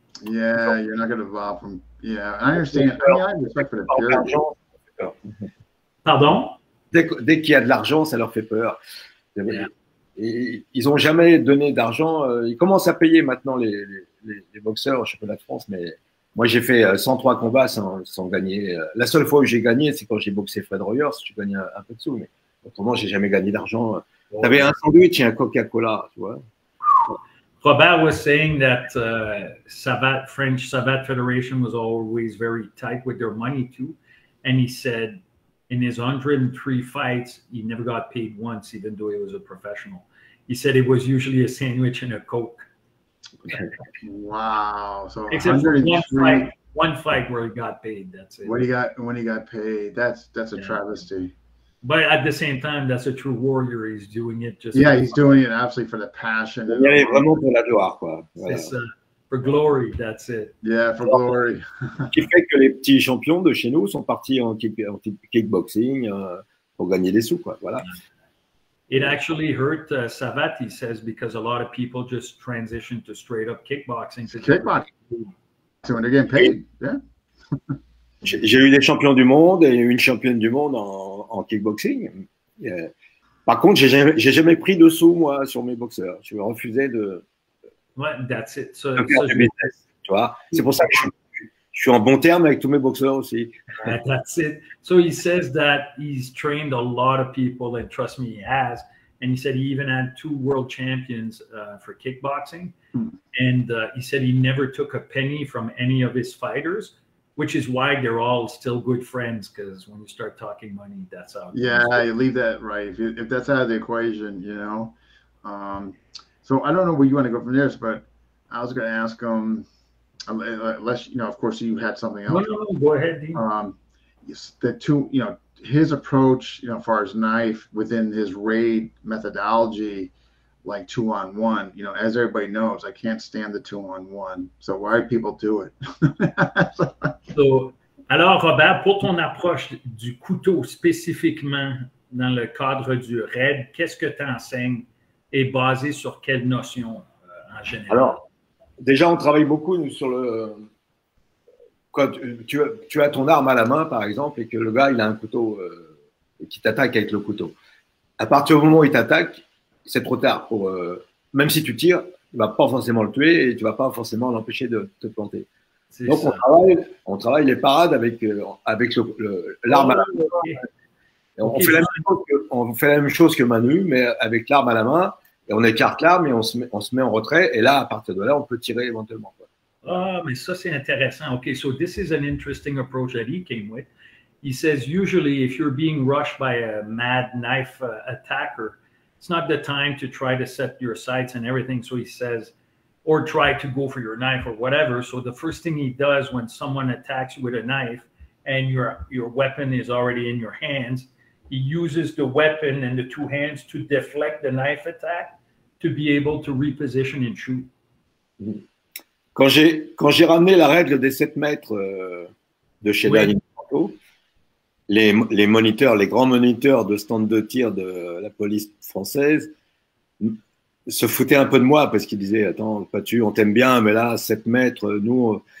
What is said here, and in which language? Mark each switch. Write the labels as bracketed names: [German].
[English] Yeah, so, you're not going to evolve from... Yeah, I understand. I mean, I respect for the purity. Pardon? [French] Dès qu'il y a de l'argent, ça leur fait peur. Ils n'ont jamais donné d'argent. Ils commencent à payer maintenant les boxeurs au championnat de France, mais moi, j'ai fait 103 combats sans gagner. La seule fois où j'ai gagné, c'est quand j'ai boxé Fred Royer, si tu gagnes un peu de sous, mais autrement, je n'ai jamais gagné d'argent. Tu avais un sandwich et un Coca-Cola, tu vois. [English] Robert was saying that French Savate Federation was always very tight with their money too, and he said, in his 103 fights, he never got paid once, even though he was a professional. He said it was usually a sandwich and a Coke. Wow. So except for one flag. One flag where he got paid. That's it. When he got paid, that's a travesty. But at the same time, that's a true warrior. He's doing it just. Yeah, he's doing it absolutely for the passion. [French] Yeah, vraiment pour la gloire, quoi. Voilà. [English] It's, for glory, that's it. Yeah, for alors, glory. [French] Qui fait que les petits champions de chez nous sont partis en, en kickboxing pour gagner des sous, quoi. Voilà. [English] It actually hurt Savate, he says, because a lot of people just transitioned to straight up kickboxing. Kickboxing. So when they're getting paid, yeah. [French] J'ai eu des champions du monde et une championne du monde en kickboxing. [English] Yeah. [French] Par contre, j'ai jamais pris de sous, moi, sur mes boxeurs. Je me refusais de. Ouais, [English] that's it. [French] So, de faire so du business, tu vois. C'est pour ça que je suis en bon terme avec tous mes boxeurs aussi. [English] That's it. So he says that he's trained a lot of people, and trust me, he has. And he said he even had two world champions for kickboxing. And he said he never took a penny from any of his fighters. Which is why they're all still good friends, because when you start talking money, that's how. Yeah, you leave that right. If that's out of the equation, you know. So I don't know where you want to go from this, but I was going to ask him, unless, you know, of course you had something else. No, go ahead, Dean. The two, you know, his approach, you know, as far as knife within his raid methodology, like 2-on-1, you know, as everybody knows, I can't stand the 2-on-1. So why do people do it? [French] So, alors, Robert, pour ton approche du couteau spécifiquement dans le cadre du raid, qu'est-ce que tu enseignes et basé sur quelles notions en général? Alors, déjà, on travaille beaucoup sur le... Quand tu as ton arme à la main, par exemple, et que le gars, il a un couteau qui t'attaque avec le couteau. À partir du moment où il t'attaque, c'est trop tard pour... même si tu tires, tu ne vas pas forcément le tuer et tu ne vas pas forcément l'empêcher de te planter. C'est donc, ça. On travaille les parades avec l'arme à la main. Et on fait la même chose que Manu, mais avec l'arme à la main. Et on écarte l'arme et on se met en retrait. Et là, à partir de là, on peut tirer éventuellement. Ah, mais ça, c'est intéressant. [English] OK, so this is an interesting approach that he came with. He says, usually, if you're being rushed by a mad knife attacker, it's not the time to try to set your sights and everything, so he says, or try to go for your knife or whatever. So the first thing he does when someone attacks you with a knife and your weapon is already in your hands, he uses the weapon and the two hands to deflect the knife attack to be able to reposition and shoot. [French] Quand j'ai ramené la règle des 7 mètres de chez Daniel Franco, les moniteurs, les grands moniteurs de stand de tir de la police française se foutaient un peu de moi parce qu'ils disaient, attends, Patu, on t'aime bien, mais là, 7 mètres, nous...